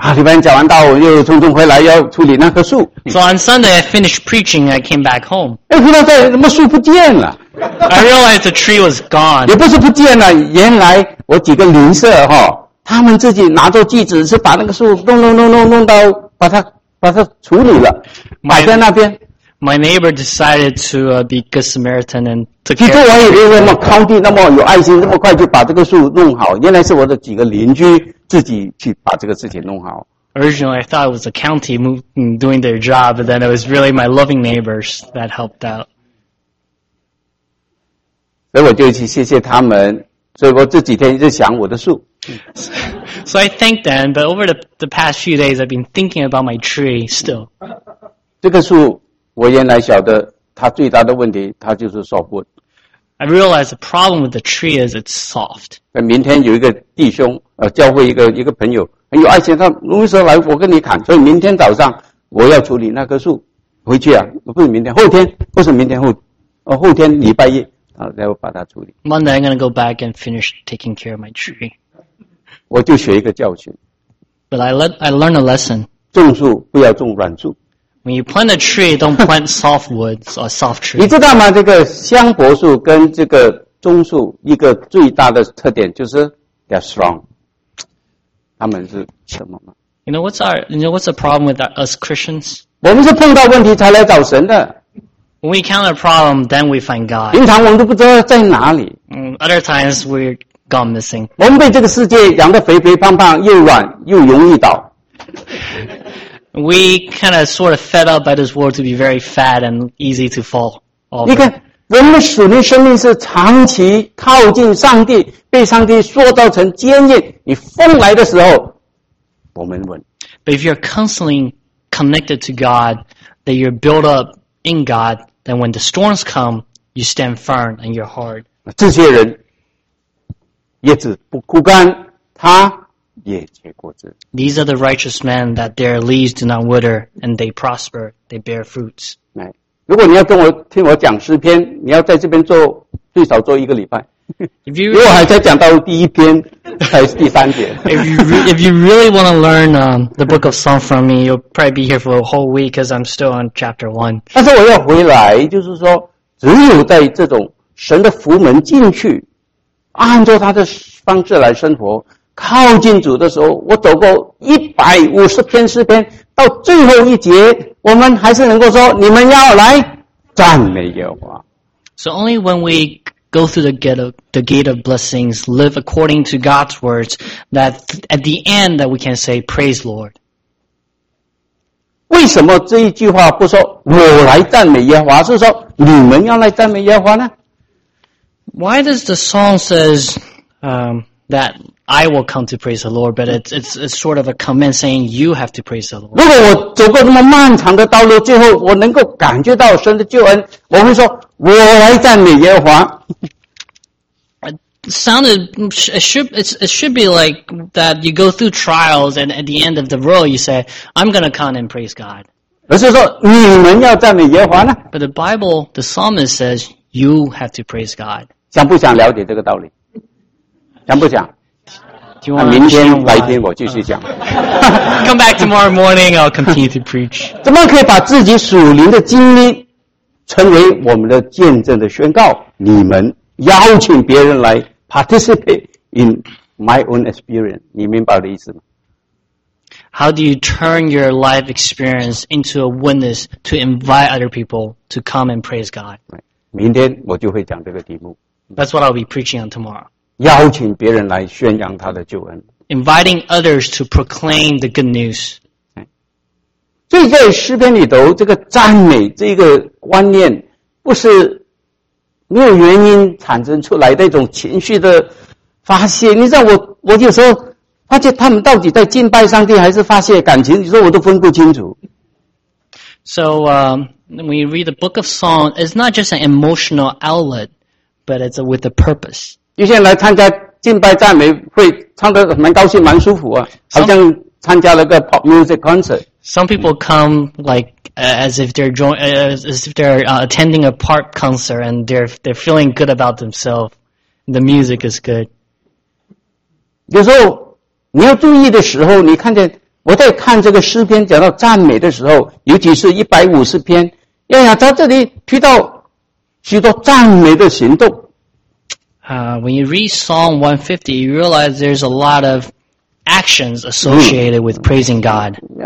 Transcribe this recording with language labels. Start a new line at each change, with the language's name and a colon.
Chinese: 啊，礼拜天讲完道，我又匆匆回来要处理那棵树。
English: So on Sunday I finished preaching, I came back home.
Chinese: 哎，回到这儿，怎么树不见了
English: ？I realized the tree was gone.
Chinese: 也不是不见了，原来我几个邻舍哈，他们自己拿着锯子是把那个树弄到把它处理了，摆在那边。
English: My neighbor decided to be a good Samaritan and took care of it.
Chinese: 其实我以为那么慷慨，那么有爱心，那么快就把这个树弄好。原来是我的几个邻居自己去把这个事情弄好。
English: Originally, I thought it was the county doing their job, but then it was really my loving neighbors that helped out.
Chinese: 所以我就去谢谢他们。所以我这几天一直想我的树。
English: So I thank them, but over the past few days, I've been thinking about my tree still.
Chinese: 这个树。我原来晓得它最大的问题，它就是
English: soft wood。 I realize the problem with the tree is it's soft.
Chinese: 那明天有一个弟兄，教会一个朋友很有爱心，他容易说来我跟你砍，所以明天早上我要处理那棵树，回去啊，不是明天，后天，不是明天后天礼拜一啊，然后把它处理。
English: Monday I'm gonna go back and finish taking care of my tree.
Chinese: 我就学一个教训。
English: But I learned a lesson.
Chinese: 种树不要种软树。
English: When you plant a tree, don't plant soft woods or soft trees.
Chinese: 你知道吗？这个香柏树跟这个棕树一个最大的特点就是
English: they're strong.
Chinese: 他们是什么吗
English: ？You know what's the problem with us Christians?
Chinese: 我们是碰到问题才来找神的。
English: When we encounter a problem, then we find God.
Chinese: 平常我们都不知道在哪里。
English: Other times we're gone missing.
Chinese: 我们被这个世界养得肥肥胖胖，又软又容易倒。
English: We kind of sort of fed up by this world to be very fat and easy to fall.
Chinese: 你看，我们的属灵生命是长期靠近上帝，被上帝塑造成坚硬。你风来的时候，我们稳。
English: But if you're constantly connected to God, that you're built up in God, then when the storms come, you stand firm and you're hard.
Chinese: 这些人叶子不枯干，他。也结果子。
English: These are the righteous men that their leaves do not wither and they prosper, they bear fruits.
Chinese: 如果你要跟我听我讲诗篇，你要在这边做最少做一个礼拜。
English: If you,
Chinese: 因为我还在讲到第一篇，还是第三节。
English: If you really want to learn the book of Psalm from me, you'll probably be here for a whole week because I'm still on chapter one.
Chinese: 但是我要回来，就是说，只有在这种神的福门进去，按照他的方式来生活。靠近主的时候，我走过150篇诗篇，到最后一节，我们还是能够说：“你们要来赞美耶和华。”
English: So only when we go through the gate of blessings, live according to God's words, that at the end that we can say praise Lord.
Chinese: 为什么这一句话不说“我来赞美耶和华”，是说“你们要来赞美耶和华”呢？
English: Why does the song says that I will come to praise the Lord, but it's sort of a comment saying you have to praise the Lord?
Chinese: 如果我走过那么漫长的道路，最后我能够感觉到神的救恩，我会说我来赞美耶和华。
English: It should be like that you go through trials and at the end of the road you say, I'm going to come and praise God.
Chinese: 而是说你们要赞美耶和华呢？
English: But the Bible, the psalmist says, you have to praise God.
Chinese: 想不想了解这个道理？想不想？那明天白天我继续讲。
English: Come back tomorrow morning, I'll continue to preach.
Chinese: 怎么可以把自己属灵的经历成为我们的见证的宣告？你们邀请别人来
English: participate in my own experience.
Chinese: 你明白我的意思吗？
English: How do you turn your life experience into a witness to invite other people to come and praise God?
Chinese: 明天我就会讲这个题目。
English: That's what I'll be preaching on tomorrow.
Chinese: 邀请别人来宣扬他的救恩。
English: Inviting others to proclaim the good news.
Chinese: 所以在诗篇里头，这个赞美这个观念不是没有原因产生出来的一种情绪的发泄。你知道我有时候发现他们到底在敬拜上帝还是发泄感情，你说我都分不清楚。
English: So, when we read the book of Psalms, it's not just an emotional outlet, but it's with a purpose.
Chinese: 有些人来参加敬拜赞美会唱得蛮高兴蛮舒服啊，好像参加了个
English: pop music concert. Some people come like as if they're attending a pop concert and they're feeling good about themselves. The music is good.
Chinese: 有时候你要注意的时候，你看见我在看这个诗篇讲到赞美的时候，尤其是150篇，哎呀，在这里提到许多赞美的行动。
English: When you read Psalm 150, you realize there's a lot of actions associated with praising God.